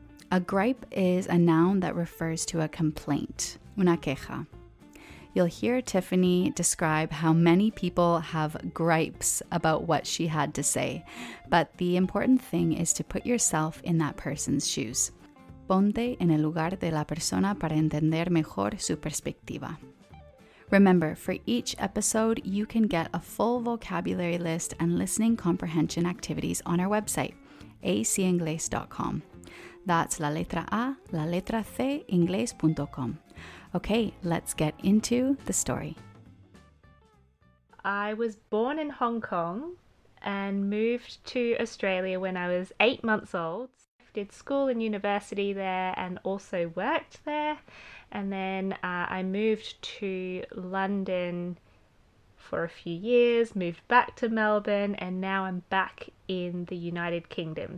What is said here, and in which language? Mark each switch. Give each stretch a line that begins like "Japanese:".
English: A gripe is a noun that refers to a complaint,
Spanish: una queja.
English: You'll hear Tiffany describe how many people have gripes about what she had to say, but the important thing is to put yourself in that person's shoes.
Spanish: Ponte en el lugar de la persona para entender mejor su perspectiva.
English: Remember, for each episode, you can get a full vocabulary list and listening comprehension activities on our website, acinglés.com. That's
Spanish: la letra A, la letra C, inglés.com.
English: Okay, let's get into the story. I was born in Hong Kong and moved to Australia when I was 8 months old. I did school and university there and also worked there. And then I moved to London for a few years, moved back to Melbourne, and now I'm back in the United Kingdom.